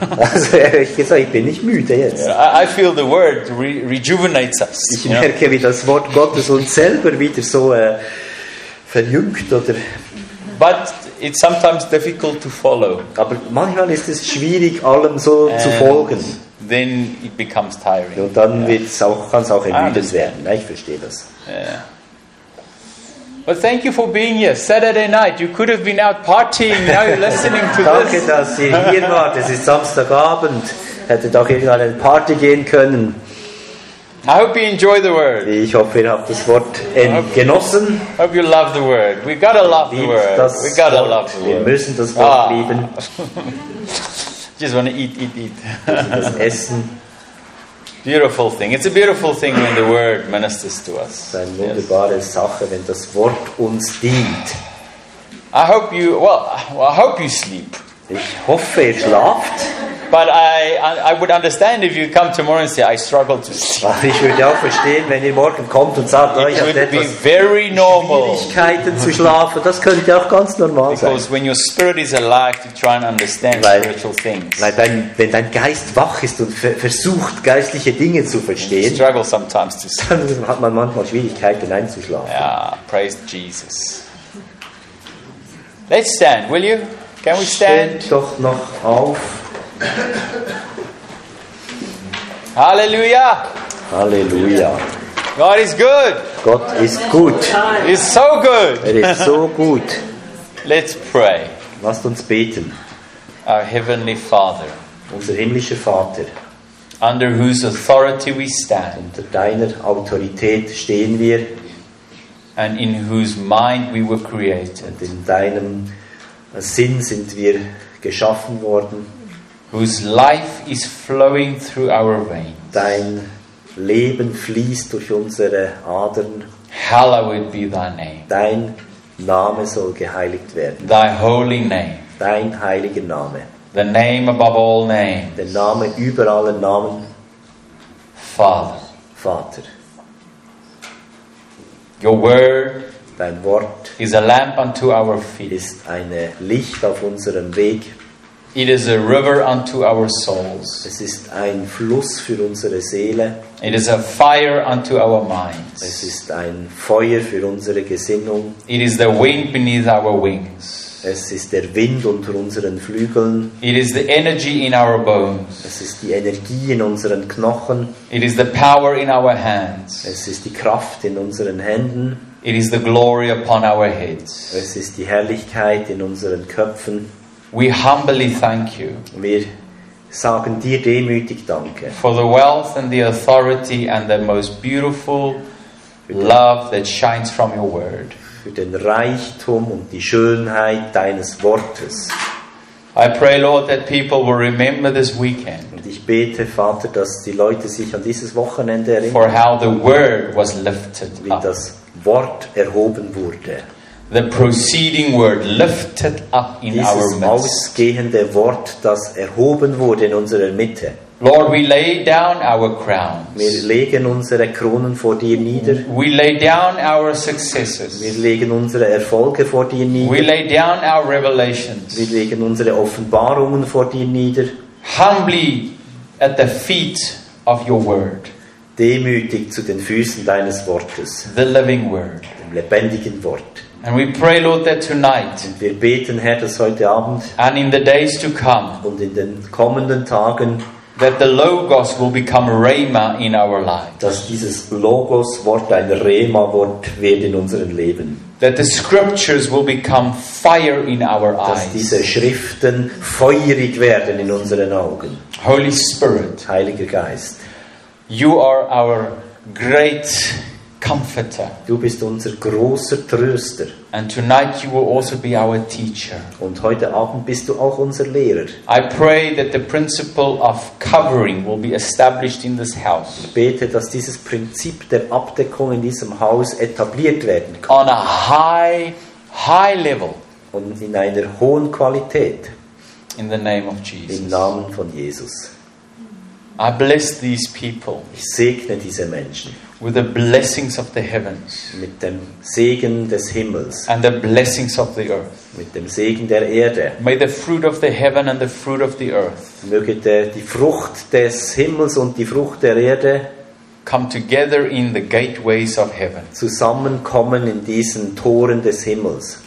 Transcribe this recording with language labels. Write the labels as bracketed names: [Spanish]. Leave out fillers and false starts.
[German] Also ehrlich gesagt, ich bin nicht müde jetzt. [English] I feel the word rejuvenates us. [German] Ich merke, wie das Wort Gottes uns selber wieder so verjüngt oder. [English] But it's sometimes difficult to follow. [German] Aber manchmal ist es schwierig, allem so [English] and [German] zu folgen. [English] Then it becomes tiring. [German] Und dann kann es auch ermüdend werden. Ja, ich verstehe das. [English] Yeah. But thank you for being here. Saturday night, you could have been out partying. Now you're listening to [German] danke, [English] this. [German] Danke, dass ihr hier wart. Es ist Samstagabend. Hättet auch irgendwann eine Party gehen können. [English] I hope you enjoy the word. [German] Ich hoffe, ihr habt das Wort genossen. [English] Hope you love the word. We gotta love the word. We gotta love the word. [German] Wir müssen das Wort lieben. [English] Just wanna eat. [German] Das Essen. [English] Beautiful thing. It's a beautiful thing when the word ministers to us. [German] Es ist eine wunderbare Sache, wenn das Wort uns dient. [English] I hope you I hope you sleep. [German] Ich hoffe, ihr schlaft. [English] But I would understand if you come tomorrow and say I struggle to sleep. [German] Ich würde auch verstehen, wenn ihr morgen kommt und sagt, ich habe etwas Schwierigkeiten zu schlafen. Das könnte auch ganz normal sein. [English] Because when your spirit is alive, you try and understand spiritual things. [German] Weil wenn dein Geist wach ist und versucht geistliche Dinge zu verstehen, [English] you struggle sometimes to sleep. [German] Dann hat man manchmal Schwierigkeiten einzuschlafen. [English] Ja, yeah, praise Jesus. Let's stand, will you? Can we stand? [German] Steht doch noch auf. [English] Hallelujah. [German] Hallelujah. [English] God is good. [German] Gott ist gut. [English] He's so good. [German] Er ist so gut. [English] Let's pray. [German] Lasst uns beten. [English] Our heavenly Father. [German] Unser himmlischer Vater. [English] Under whose authority we stand. [German] Unter deiner Autorität stehen wir. [English] And in whose mind we were created. [German] Und in deinem Sinn sind wir geschaffen worden. [English] Whose life is flowing through our veins. [German] Dein Leben fließt durch unsere Adern. [English] Hallowed be thy name. [German] Dein Name soll geheiligt werden. [English] Thy holy name. [German] Dein heiliger Name. [English] The name above all names. [German] Der Name über alle Namen. [English] Father. [German] Vater. [English] Your word. [German] Dein Wort. [English] Is a lamp unto our feet. [German] Ist ein Licht auf unserem Weg. [English] It is a river unto our souls. [German] Es ist ein Fluss für unsere Seele. [English] It is a fire unto our minds. [German] Es ist ein Feuer für unsere Gesinnung. [English] It is the wind beneath our wings. [German] Es ist der Wind unter unseren Flügeln. [English] It is the energy in our bones. [German] Es ist die Energie in unseren Knochen. [English] It is the power in our hands. [German] Es ist die Kraft in unseren Händen. [English] It is the glory upon our heads. [German] Es ist die Herrlichkeit in unseren Köpfen. [English] We humbly thank you. [German] Wir sagen dir demütig Danke. [English] For the wealth and the authority and the most beautiful love that shines from your word. [German] Für den Reichtum und die Schönheit deines Wortes. [English] I pray, Lord, that people will remember this weekend. [German] Und ich bete, Vater, dass die Leute sich an dieses Wochenende erinnern. [English] For how the word was lifted up. [German] Wie das Wort erhoben wurde. [English] The preceding word lifted up in [German] dieses [English] our midst. [German] Ausgehende Wort, das erhoben wurde in unserer Mitte. [English] Lord, we lay down our crowns. [German] Wir legen unsere Kronen vor dir nieder. [English] We lay down our successes. [German] Wir legen unsere Erfolge vor dir nieder. [English] We lay down our revelations. [German] Wir legen unsere Offenbarungen vor dir nieder. [English] Humbly at the feet of your word. [German] Demütig zu den Füßen deines Wortes. [English] The living word. [German] Dem lebendigen Wort. [English] And we pray, Lord, that tonight. [German] Und wir beten, Herr, dass heute Abend. [English] And in the days to come. [German] Und in den kommenden Tagen. [English] That the Logos will become Rhema in our lives. [German] Dass dieses Logos-Wort ein Rhema-Wort wird in unserem Leben. [English] That the Scriptures will become fire in our eyes. [German] Dass diese Schriften feurig werden in unseren Augen. [English] Holy Spirit. [German] Heiliger Geist. [English] You are our great comforter. [German] Du bist unser großer Tröster. [English] And tonight you will also be our teacher. [German] Und heute Abend bist du auch unser Lehrer. [English] I pray that the principle of covering will be established in this house. [German] Ich bete, dass dieses Prinzip der Abdeckung in diesem Haus etabliert werden kann. [English] On a high level. [German] Und in einer hohen Qualität. [English] In the name of Jesus. [German] Im Namen von Jesus. [English] I bless these people. [German] Ich segne diese Menschen. [English] With the blessings of the heavens. [German] Mit dem Segen des Himmels. [English] And the blessings of the earth. [German] Mit dem Segen der Erde. [English] May the fruit of the heaven and the fruit of the earth. [German] Möge die Frucht des Himmels und die Frucht der Erde [English] come together in the gateways of heaven. [German] Zusammenkommen in diesen Toren des Himmels.